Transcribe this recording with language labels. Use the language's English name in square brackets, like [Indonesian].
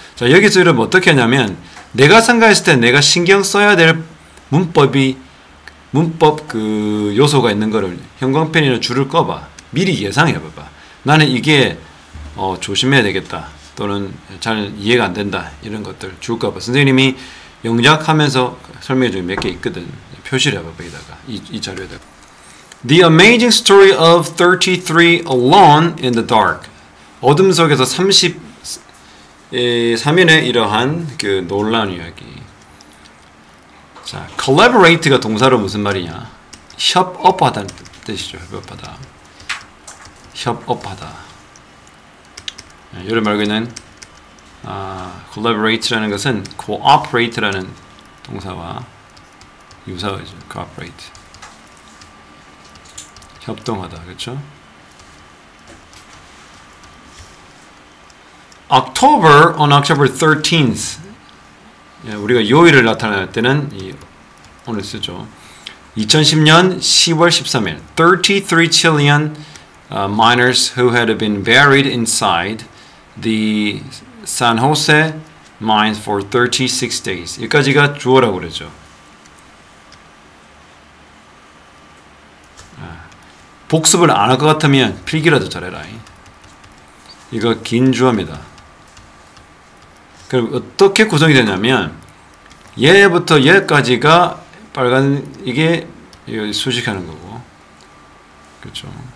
[Korean] 자, 여기서 이러면 어떻게 하냐면, 내가 생각했을 때 내가 신경 써야 될 문법 그 요소가 있는 거를 형광펜이나 줄을 꺼봐. 미리 예상해봐봐. 나는 이게 조심해야 되겠다, 또는 잘 이해가 안 된다, 이런 것들 줄까봐. 선생님이 영작하면서 설명해 준 몇 개 있거든. 표시를 해봐봐, 여기다가. 이 자료에다가. [English] The amazing story of 33 alone in the dark. [Korean] 어둠 속에서 33인의 이러한 그 놀라운 이야기. 자, collaborate가 동사로 무슨 말이냐? 협업하다는 뜻이죠. 협업하다. 협업하다. 여러 말고는 collaborate라는 것은 cooperate라는 동사와 유사하죠. cooperate. 협동하다. 그렇죠? [English] October on October 13th. [Korean] 우리가 요일을 나타낼 때는 오늘 쓰죠. 2010년 10월 13일. [English] 33 Chilean miners who had been buried inside the San Jose mines for 36 days. [Korean] 여기까지가 주어라고 그러죠. 복습을 안 할 것 같으면 필기라도 잘해라. 이거 긴 주어입니다. 그럼 어떻게 구성이 되냐면, 얘부터 얘까지가 빨간, 이게 수식하는 거고, 그렇죠.